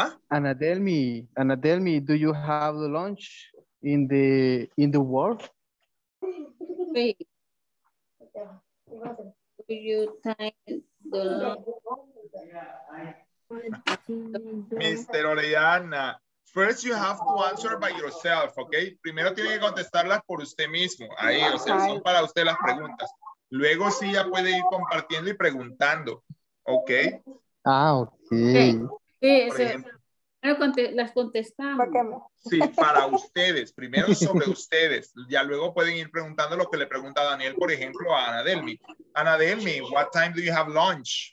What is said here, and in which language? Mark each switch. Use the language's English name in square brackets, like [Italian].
[English] Anna, tell me, do you have the lunch in the world? Wait. Do you time the lunch? Mr. Orellana, first you have to answer by yourself, okay? [Spanish] Primero tiene que contestarlas por usted mismo. Ahí, o sea, son para usted las preguntas. Luego sí ya puede ir compartiendo y preguntando, okay? Ah, okay. Las contestamos. Sí, para ustedes. Primero sobre ustedes. Ya luego pueden ir preguntando lo que le pregunta Daniel, por ejemplo, a Ana Delmi. [English] Ana Delmi, what time do you have lunch?